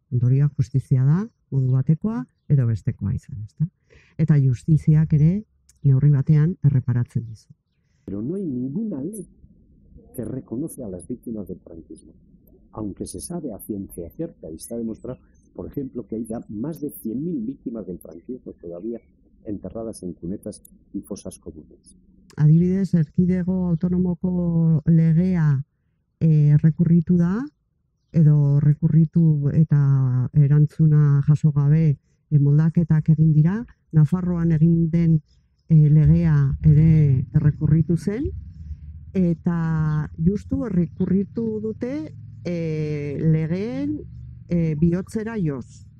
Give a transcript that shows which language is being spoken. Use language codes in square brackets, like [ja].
[eu] Ondorioa justizia da, modu batekoa edo bestekoa izan, ezta? Eta justiziak ere neurri batean erreparatzen dizu. [es] Pero no hay ninguna ley que reconoce a las víctimas del franquismo, aunque se sabe a ciencia cierta y está demostrado, por ejemplo, que hay ya más de 100.000 víctimas del franquismo todavía enterradas en cunetas y fosas comunes. [eu] Adibidez, erkidego autonomoko legea errekurritu da, edo errekurritu eta erantzuna jaso gabe moldaketak egin dira, Nafarroan egin den legea ere errekurritu zen, eta justu errekurritu dute legeen bihotzera joz.